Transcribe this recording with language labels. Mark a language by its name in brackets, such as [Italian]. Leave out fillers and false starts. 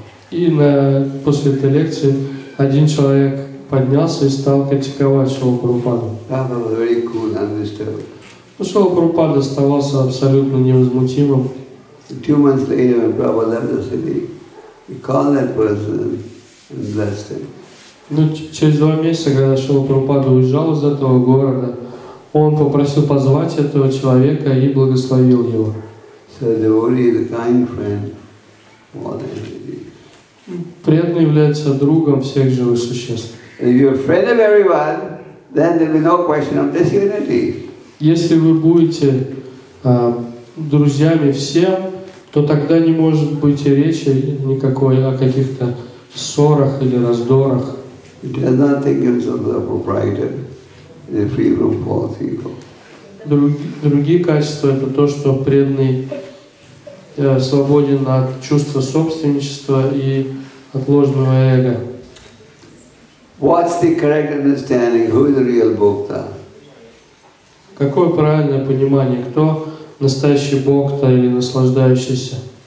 [Russian] И после этой лекции один человек поднялся и стал критиковать Шрила Прабхупаду. Cool, Шрила Прабхупада оставался абсолютно невозмутимым. [English] Two months later, when Prabhupada left the city, he called that person and blessed him. [Russian] Ну, через два месяца, когда Шрила Прабхупада уезжал из этого города, он попросил позвать этого человека и благословил его. [English] So the devotee is a kind friend of all entities. [Russian] Преданный является другом всех живых существ. [English] If you're a friend of everyone, then there will be no question of disunity. [Russian] Если вы будете друзьями всем, то тогда не может быть и речи никакой о каких-то ссорах или раздорах. [English] He does not think himself the proprietor, the free from false ego. [Russian] Другие качества – это то, что преданный свободен от чувства собственничества и от ложного эго. [English] What's the correct understanding? Who is the real Bhokta? [Russian] Какое правильное понимание? Кто настоящий Бхокта или наслаждающийся?